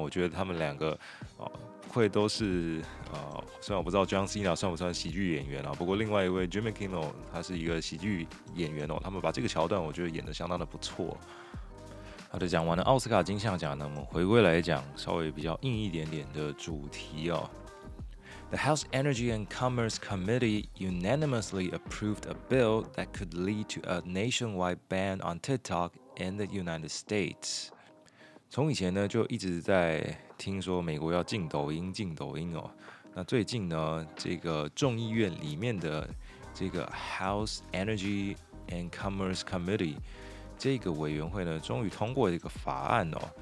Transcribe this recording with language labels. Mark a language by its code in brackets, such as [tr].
[zh] 我觉得他们两个会都是虽然我不知道 John Cena 算不算喜剧演员啊，不过另外一位 Jimmy Kimmel 他是一个喜剧演员哦，他们把这个桥段我觉得演得相当的不错。好的，讲完了奥斯卡金像奖呢，我们回归来讲稍微比较硬一点点的主题哦。 [en] The House Energy and Commerce Committee unanimously approved a bill that could lead to a nationwide ban on TikTok in the United States. [zh] 从以前呢就一直在听说美国要禁抖音，禁抖音哦。那最近呢，这个众议院里面的这个 House Energy and Commerce Committee 这个委员会呢，终于通过这个法案哦。